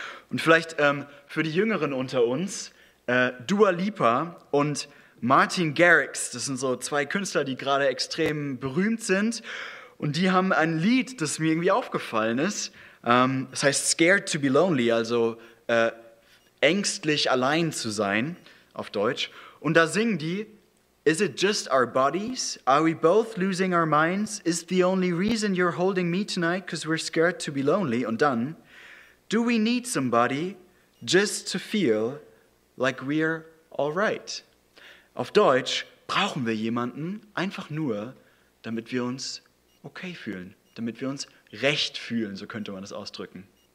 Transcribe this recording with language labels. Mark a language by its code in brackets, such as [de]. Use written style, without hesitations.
[de] Und vielleicht für die Jüngeren unter uns, Dua Lipa und Martin Garrix, das sind so zwei Künstler, die gerade extrem berühmt sind, und die haben ein Lied, das mir irgendwie aufgefallen ist, das heißt Scared to be Lonely, also ängstlich allein zu sein, auf Deutsch, und da singen die, [en] is it just our bodies? Are we both losing our minds? Is the only reason you're holding me tonight because we're scared to be lonely? [de] Und dann, [en] do we need somebody just to feel like we're all right? [de] Auf Deutsch, brauchen wir jemanden einfach nur, damit wir uns okay fühlen, damit wir uns recht fühlen, so könnte man das ausdrücken.